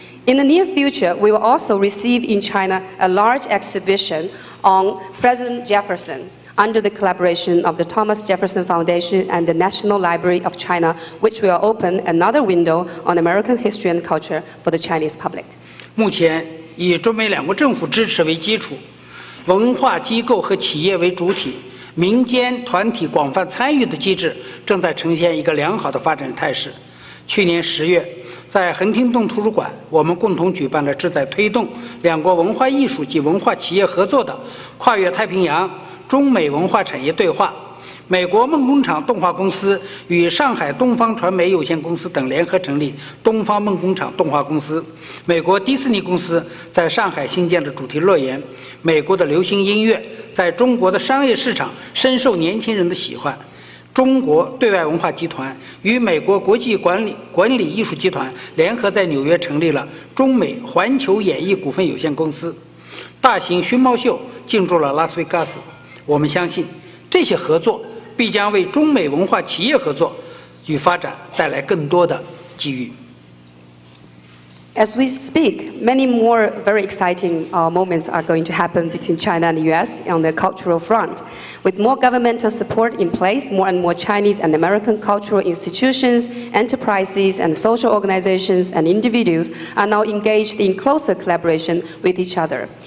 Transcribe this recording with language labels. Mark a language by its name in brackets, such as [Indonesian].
[English] In the near future, we will also receive in China a large exhibition on President Jefferson under the collaboration of the Thomas Jefferson Foundation and the National Library of China, which will open another window on American history and culture for the Chinese public. [Chinese] 目前以中美两国政府支持为基础，文化机构和企业为主体，民间团体广泛参与的机制正在呈现一个良好的发展态势。去年十月，在恒廷顿图书馆，我们共同举办了旨在推动两国文化艺术及文化企业合作的跨越太平洋中美文化产业对话。美国梦工厂动画公司与上海东方传媒有限公司等联合成立东方梦工厂动画公司，美国迪士尼公司在上海新建了主题乐园，美国的流行音乐在中国的商业市场深受年轻人的喜欢，中国对外文化集团与美国国际管理艺术集团联合在纽约成立了中美环球演艺股份有限公司，大型熏猫秀进驻了拉斯维加斯。我们相信这些合作必将为中美文化企业合作与发展带来更多的机遇。 [English] As we speak, many more very exciting moments are going to happen between China and the U.S. on the cultural front. With more governmental support in place, more and more Chinese and American cultural institutions, enterprises, and social organizations and individuals are now engaged in closer collaboration with each other.